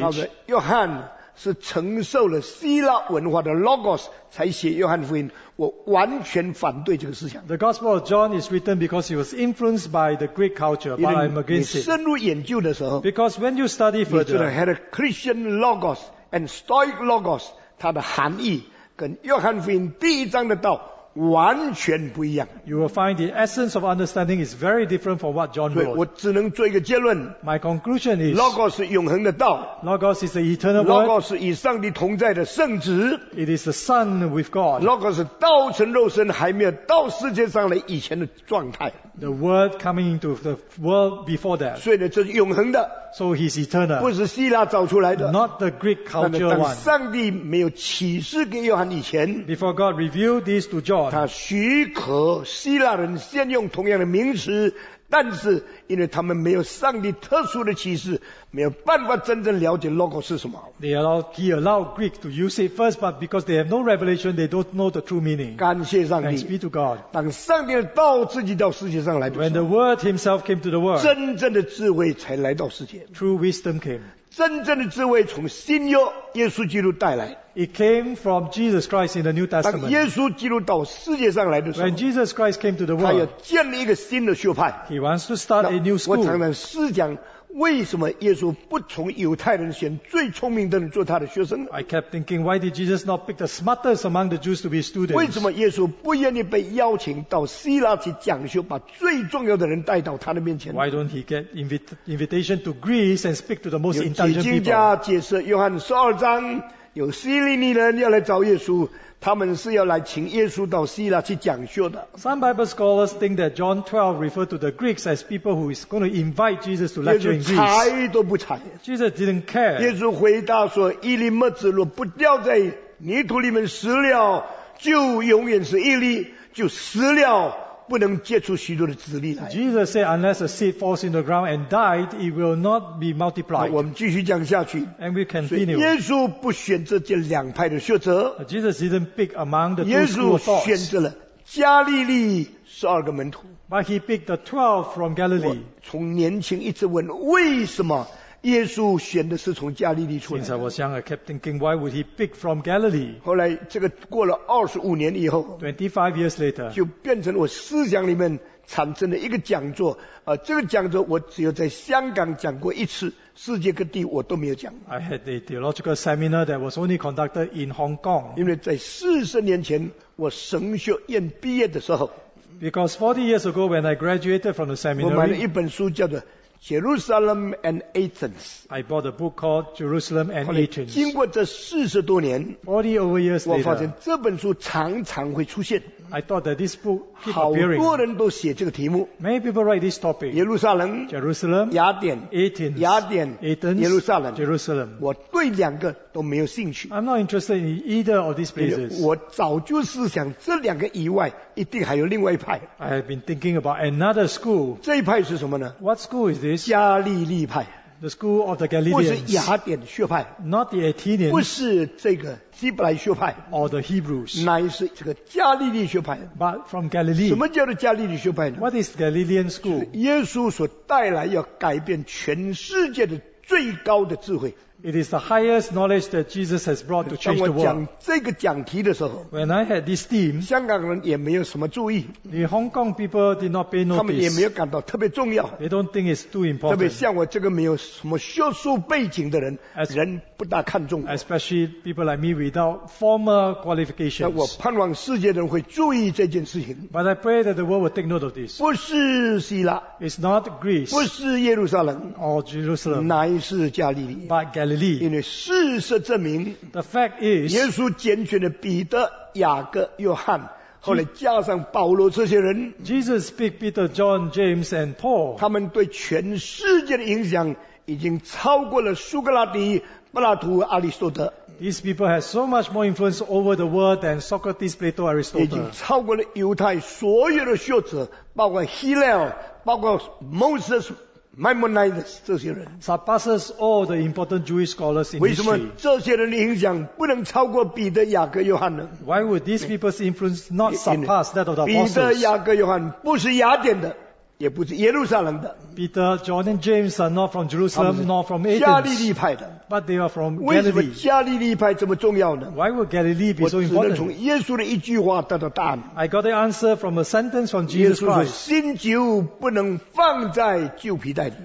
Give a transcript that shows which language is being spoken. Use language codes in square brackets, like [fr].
[zh] 他说约翰是承受了希腊文化的 logos 才写约翰福音，我完全反对这个思想。 [en] The Gospel of John is written because it was influenced by the Greek culture, but I'm against it. [zh] 你深入研究的时候， [en] because when you study further, [zh] 你知道 [en] Heraclitian logos and Stoic logos [zh] 它的含义跟约翰福音第一章的道完全不一样。 [en] You will find the essence of understanding is very different from what John wrote. [zh] 我只能做一个结论。 [en] My conclusion is, [zh] Logos 是永恒的道。 [en] Logos is the eternal word. [zh] Logos 是与上帝同在的圣旨。 [en] It is the Son with God. [zh] Logos 是道成肉身还没有到世界上来以前的状态。 [en] The word coming into the world before that. [zh] 所以呢，这是永恒的。 [en] So he's eternal. [zh] 不是希腊找出来的。 [en] Not the Greek culture one. [zh] 但上帝没有启示给约翰以前， [en] before God revealed this to John. [zh] 他许可希腊人先用同样的名词，但是因为他们没有上帝特殊的启示，没有办法真正了解 logos 是什么。 [en] He allowed Greek to use it first, but because they have no revelation, they don't know the true meaning. [zh] 感谢上帝。 [en] Thanks be to God. [zh] 当上帝的道自己到世界上来的时候， [en] when the Word Himself came to the world, [zh] 真正的智慧才来到世界。 [en] True wisdom came. [zh] 真正的智慧从新约耶稣基督带来。 [en] It came from Jesus Christ in the New Testament. [zh] 当耶稣基督到世界上来的时候， [en] when Jesus Christ came to the world, [zh] 他要建立一个新的学派。 [en] He wants to start a new school. [zh] 我常常思想为什么耶稣不从犹太人选最聪明的人做他的学生？ [en] I kept thinking, why did Jesus not pick the smartest among the Jews to be students? [zh] 为什么耶稣不愿意被邀请到希腊去讲学，把最重要的人带到他的面前？ [en] Why don't he get invitation to Greece and speak to the most intelligent people? [zh] 有经家解释约翰十二章，有希利尼人要来找耶稣，他们是要来请耶稣到希腊去讲学的。 [en] Some Bible scholars think that John 12 referred to the Greeks as people who is going to invite Jesus to lecture in Greece. [zh] 耶稣睬都不睬。 [en] Jesus didn't care. [zh] 耶稣回答说：“伊利麦子若不掉在泥土里面死了，就永远是伊利，就死了。” 不能结出许多的籽粒来。 [en] Jesus said, unless a seed falls in the ground and died, it will not be multiplied. [zh] 我们继续讲下去。 [en] And we continue. [zh] 所以耶稣不选择这两派的学者。 [en] Jesus didn't pick among the two school thoughts. [zh] 耶稣选择了加利利十二个门徒。 [en] But he picked the 12 from Galilee. [zh] 从年轻一直问，为什么耶稣选的是从加利利出来的。现在我想啊 [en] ，Captain King, why would he pick from Galilee? [zh] 后来这个过了25年以后 [en] ，25 years later， [zh] 就变成我思想里面产生的一个讲座。这个讲座我只有在香港讲过一次，世界各地我都没有讲。 [en] I had a theological seminar that was only conducted in Hong Kong. [zh] 因为在40年前我神学院毕业的时候 [en] ，Because 40 years ago when I graduated from the seminary， [zh] 我买了一本书叫做。Jerusalem and Athens. [en] I bought a book called Jerusalem and Athens. [zh] 经过这40多年 [en] 40 over years later, [zh] 我发现这本书常常会出现。 [en] I thought that this book keep appearing. [zh] 好多人都写这个题目。 [en] Many people write this topic. [zh] 耶路撒冷 [en] Jerusalem, [zh] 雅典 [en] Athens, [zh] 雅典 [en] Athens, [zh] 耶路撒冷 [en] Jerusalem. [zh] 我对两个都没有兴趣。 [en] I'm not interested in either of these places. [zh] 我早就是想这两个以外一定还有另外一派。 [en] I have been thinking about another school. [zh] 这一派是什么呢？ [en] What school is this? [zh] 加利利派 [en] the school of the Galileans, [zh] 不是雅典学派 [en] not the Athenians, [zh] 不是这个希伯来学派 [en] or the Hebrews, [zh] 乃是这个加利利学派 [en] but from Galilee, [zh] 什么叫做加利利学派呢 [en] what is Galilean school? [zh] 耶稣所带来要改变全世界的最高的智慧 [en] it is the highest knowledge that Jesus has brought to change the world. [zh] 当我讲这个讲题的时候 [en] when I had this theme, [zh] 香港人也没有什么注意 [en] the Hong Kong people did not pay notice. [zh] 他们也没有感到特别重要 [en] they don't think it's too important. [zh] 特别像我这个没有什么学术背景的人 人不大看重我 [en] especially people like me without formal qualifications. [zh] 我盼望世界的人会注意这件事情 [en] but I pray that the world will take note of this. [zh] 不是希腊 [en] it's not Greece. [zh] 不是耶路撒冷 [en] or Jerusalem. [zh] 是加利利 [en] But Galilee, [zh] 因为事实证明 [en] the fact is, [zh] 耶稣拣选了彼得雅各约翰后来加上保罗这些人 [en] Jesus picked Peter, John, James and Paul [zh] 他们对全世界的影响已经超过了苏格拉底柏拉图阿里斯多德 [en] These people have so much more influence over the world than Socrates, Plato, Aristotle [zh] 已经超过了犹太所有的学者包括 Hillel 包括 Moses Maimonides 这些人 [en] surpasses all the important Jewish scholars in history. [zh] 为什么这些人的影响不能超过彼得雅各约翰呢 [en] Why would these people's influence not surpass that of the apostles? [zh] 彼得雅各约翰不是雅典的也不是耶路撒冷的 [en] Peter, John and James are not from Jerusalem nor from Athens. [zh] 加利利派的 [en] But they are from Galilee. [zh] 为什么加利利派这么重要呢 [en] Why would Galilee be so important? [zh] 我只能从耶稣的一句话得到答案 [en] I got the answer from a sentence from Jesus Christ. [zh] 耶稣说新酒不能放在旧皮袋里